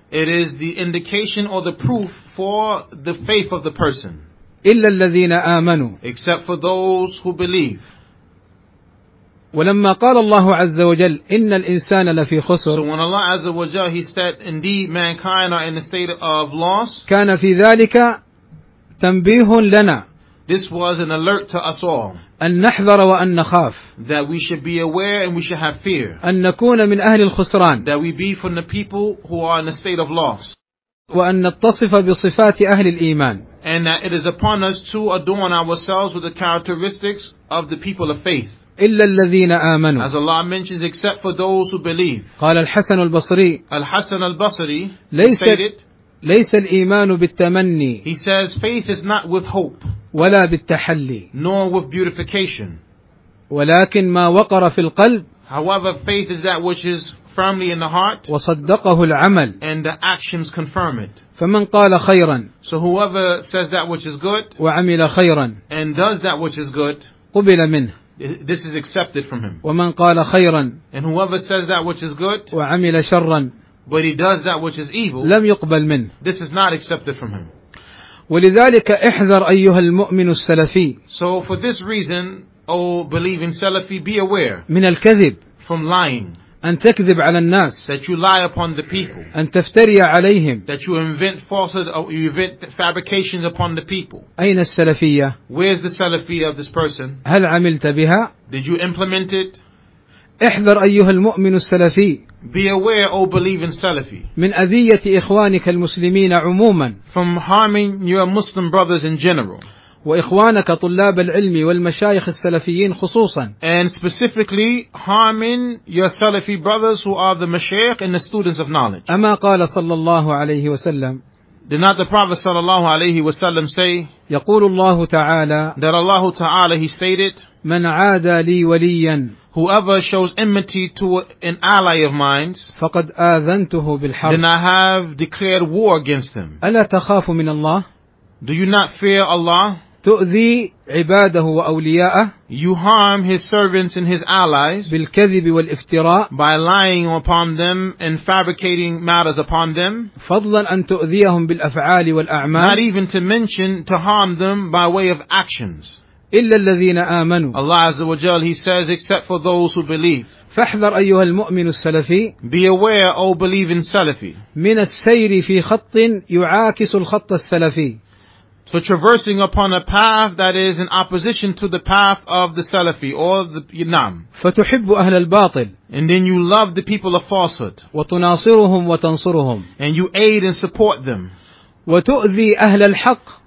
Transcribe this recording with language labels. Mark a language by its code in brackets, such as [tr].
[en] It is the indication or the proof for the faith of the person. [ar] إلا الذين آمنوا. [en] Except for those who believe. [ar] ولما قال الله عز وجل إن الإنسان لفي خسر. [en] So when Allah [ar] عز وجل, [en] he said indeed mankind are in a state of loss. [ar] كان في ذلك تنبيه لنا. [en] This was an alert to us all. [ar] أن نحذر وأن نخاف. [en] That we should be aware and we should have fear. [ar] أن نكون من أهل الخسران. [en] That we be from the people who are in a state of loss. [ar] وأن نتصف بصفات أهل الإيمان. [en] And that it is upon us to adorn ourselves with the characteristics of the people of faith. [ar] إلا الذين آمنوا. [en] As Allah mentions, except for those who believe. [ar] قال الحسن البصري. الحسن البصري. ليس الإيمان بالتمني. [en] He says faith is not with hope. [ar] ولا بالتحلي. [en] Nor with beautification. [ar] ولكن ما وقر في القلب. [en] However, faith is that which is firmly in the heart. [ar] وصدقه العمل. [en] And the actions confirm it. [ar] فمن قال خيرا. [en] So whoever says that which is good. [ar] وعمل خيرا. [en] And does that which is good. [ar] قبل منه. [en] This is accepted from him. [ar] ومن قال خيرا. [en] And whoever says that which is good. [ar] وعمل شرا. [en] But he does that which is evil. [ar] لم يقبل منه. [en] This is not accepted from him. [ar] ولذلك احذر أيها المؤمن السلفي. [en] So for this reason, O believing Salafi, be aware. [ar] من الكذب. [en] From lying. [ar] أن تكذب على الناس. [en] That you lie upon the people. [ar] أن تفتري عليهم. [en] That you invent falsehood or you invent fabrications upon the people. [ar] أين السلفية؟ [en] Where's the Salafiyah of this person? [ar] هل عملت بها؟ [en] Did you implement it? [ar] احذر أيها المؤمن السلفي. [en] Be aware, O believing Salafi. [ar] من أذية إخوانك المسلمين عموما. [en] From harming your Muslim brothers in general. [ar] وإخوانك طلاب العلم والمشايخ السلفيين خصوصا. [en] And specifically harming your Salafi brothers who are the mashayikh and the students of knowledge. [ar] أما قال صلى الله عليه وسلم. [en] Did not the Prophet [ar] صلى الله عليه وسلم [en] say. [ar] يقول الله تعالى. [en] That Allah تعالى, he stated. [ar] من عادى لي وليا. [en] Whoever shows enmity to an ally of mine, [ar] فقد آذنته بالحرب. [en] Then I have declared war against him. [ar] ألا تخاف من الله؟ [en] Do you not fear Allah? [ar] تؤذي عباده وأولياءه. [en] You harm his servants and his allies. [ar] بالكذب والافتراء. [en] By lying upon them and fabricating matters upon them. [ar] فضلا أن تؤذيهم بالأفعال والأعمال. [en] Not even to mention to harm them by way of actions. [ar] إلا الذين آمنوا. [en] Allah Azza wa Jal, he says, except for those who believe. [ar] فاحذر أيها المؤمن السلفي. [en] Be aware, O believing Salafi. [ar] من السير في خط يعاكس الخط السلفي. [en] So traversing upon a path that is in opposition to the path of the Salafi or the Imam. [ar] فتحب أهل الباطل. [en] And then you love the people of falsehood. [ar] وتناصرهم وتنصرهم. [en] And you aid and support them. [ar] وتؤذي أهل الحق.